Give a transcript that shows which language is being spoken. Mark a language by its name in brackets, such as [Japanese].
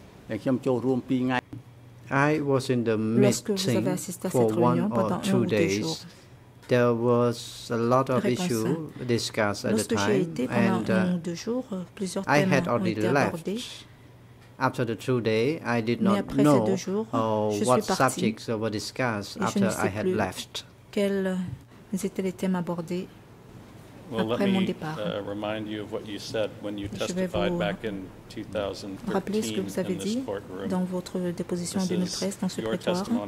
[English] I was in the meeting for 1 or 2 days. There was a lot of issues discussed at the time, and I had already left. After the 2 days, I did not know what subjects were discussed after I had left. [French] Quels étaient les thèmes abordés après mon départ. [English] Remind you of what you said when you testified back in 2013. [French] Rappeler ce que vous avez dit dans votre déposition en 2013 dans ce pétoire.